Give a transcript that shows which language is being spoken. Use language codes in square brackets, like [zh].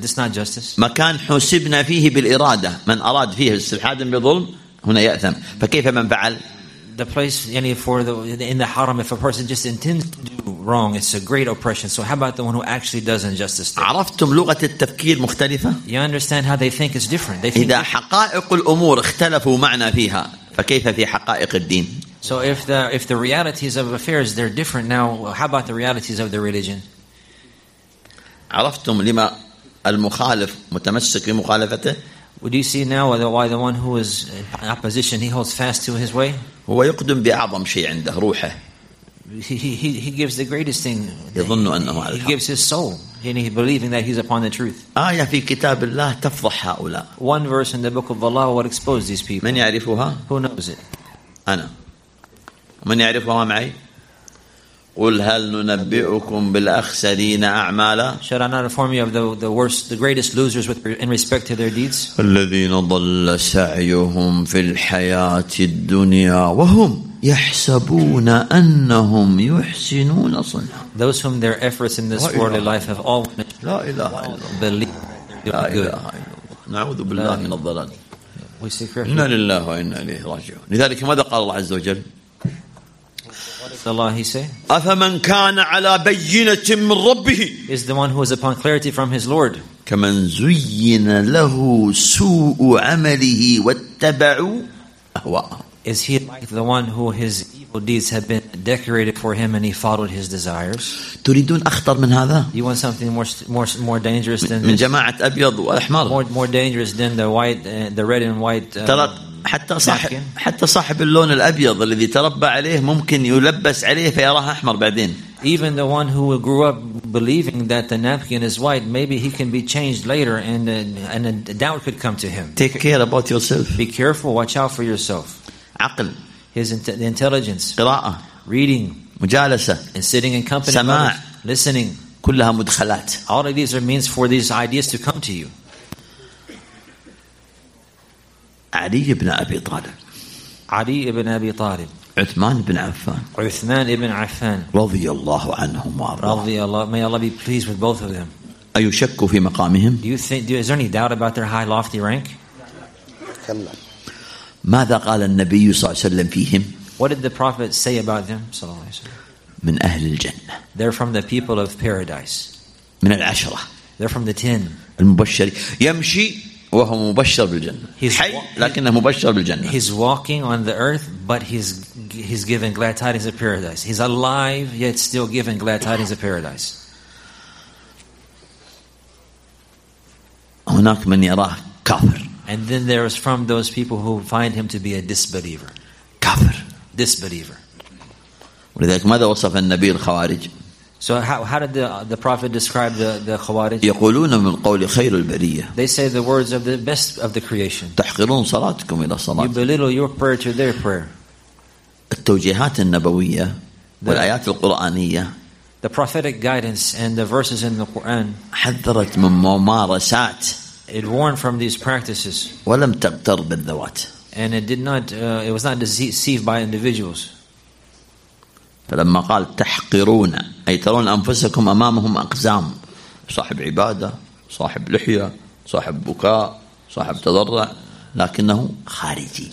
[en] This is not justice. [ar] مكان حسبنا فيه بالإرادة من أراد فيه استلحاد بظلم هنا يأثم. فكيف من فعل؟ [en] The place any for the in the haram if a person just intends to do wrong, it's a great oppression. So how about the one who actually does injustice? There? [ar] عرفتم لغة التفكير مختلفة. [en] You understand how they think it's different. They think [ar] إذا حقائق الأمور اختلفوا معنا فيها فكيف في حقائق الدين؟ [en] So if the realities of affairs they're different now, how about the realities of the religion? [ar] عرفتم لما المخالف متمسك بمخالفته؟ [en] Would you see now why the one who is in opposition he holds fast to his way? [ar] هو يقدم بأعظم شيء عنده روحه. [en] He gives the greatest thing. [ar] يظن أنه على الحق. [en] He gives his soul. And he's believing that he's upon the truth. [ar] آية في كتاب الله تفضح هؤلاء. [en] One verse in the book of Allah would expose these people. [ar] من يعرفها؟ [en] Who knows it? [ar] أنا. من يعرفها معي؟ قل هل ننبئكم بالأخسرين أعمالا؟ [en] Should I not inform you of the worst, the greatest losers with, in respect to their deeds? [ar] الذين ضل سعيهم في الحياة الدنيا وهم يحسبون أنهم يحسنون صنعا. [en] Those whom their efforts in this worldly life have all been. [ar] لا إله إلا الله. نعوذ بالله من الضلال. [en] We seek refuge. [ar] إنا لله وإنا إليه راجعون. لذلك ماذا قال الله عز وجل؟ [en] Allah, he say, [ar] أَفَمَنْ كَانَ عَلَىٰ بَيِّنَةٍ مِّن رَبِّهِ [en] is the one who is upon clarity from his Lord. [ar] كَمَنْ زُيِّنَ لَهُ سُوءُ عَمَلِهِ وَاتَّبَعُوا أَهْوَاءَهُ [en] is he like the one who his evil deeds have been decorated for him and he followed his desires? [ar] تريدون أخطر من هذا؟ [en] You want something more dangerous than [ar] من جماعة أبيض وأحمر [en] more dangerous than the white the red and white [ar] حتى صاحب اللون الأبيض الذي تربى عليه ممكن يلبس عليه فيراه أحمر بعدين. [en] Even the one who grew up believing that the napkin is white, maybe he can be changed later, and a doubt could come to him. Take care about yourself. Be careful. Watch out for yourself. [ar] عقل. [en] His intelligence. [ar] قراءة. [en] Reading. [ar] مجالسة. [en] And sitting in company. [ar] سماع. [en] Listening. [ar] كلها مدخلات. [en] All of these are means for these ideas to come to you. [ar] علي بن أبي طالب. علي بن أبي طالب. عثمان بن عفان. عثمان بن عفان. رضي الله عنهم وأرضاهم. رضي الله. [en] May Allah be pleased with both of them. [ar] أيشك في مقامهم؟ [en] Do you think? Is there any doubt about their high, lofty rank? [ar] كلا. ماذا قال النبي صلى الله عليه وسلم فيهم؟ [en] What did the Prophet say about them, [ar] صلى الله عليه وسلم؟ من أهل الجنة. [en] They're from the people of paradise. [ar] من العشرة. [en] They're from the ten. [ar] المبشر يمشي. وهو مبشر بالجنة. حي لكنه مبشر بالجنة. [en] He's walking on the earth, but he's given glad tidings of paradise. He's alive yet still given glad tidings of paradise. [ar] هناك من يراه كافر. [en] And then there is from those people who find him to be a disbeliever. [ar] كافر. [en] Disbeliever. [ar] ولذلك ماذا وصف النبي الخوارج؟ [en] So how did the Prophet describe the Khawarij? [ar] يقولون من قول خير البرية. [en] They say the words of the best of the creation. [ar] تحقرون صلاتكم إلى صلاة. [en] You belittle your prayer to their prayer. [ar] التوجيهات النبوية والآيات القرآنية. [en] The prophetic guidance and the verses in the Quran. [ar] حذرت من ممارسات. [en] It warned from these practices. [ar] ولم تغتر بالذوات. [en] And it did not. It was not deceived by individuals. [ar] فلما قال تحقرون أي ترون أنفسكم أمامهم أقزام صاحب عبادة صاحب لحية صاحب بكاء صاحب تضرع لكنه خارجي.